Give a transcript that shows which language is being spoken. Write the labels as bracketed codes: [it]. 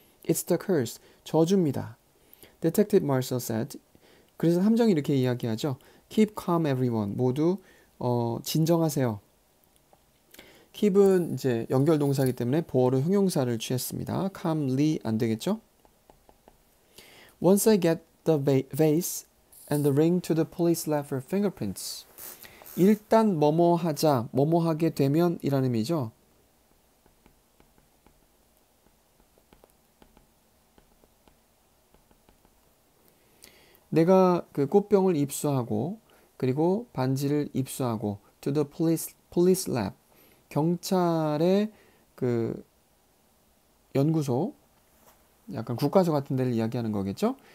[en] It's the curse. [ko] 저주입니다. [en] Detective Marshall said. [ko] 그래서 함정이 이렇게 이야기하죠. [en] Keep calm, everyone. [ko] 모두 진정하세요. Keep은 이제 연결 동사이기 때문에 보어로 형용사를 취했습니다. Calmly 안 되겠죠? [en] Once I get the vase and the ring to the police lab for fingerprints. [ko] 일단 뭐뭐 하자, 뭐뭐 하게 되면 이란 의미죠. 내가 그 꽃병을 입수하고, 그리고 반지를 입수하고, [en] to the police lab, [ko] 경찰의 그 연구소, 약간 국과수 같은 데를 이야기하는 거겠죠?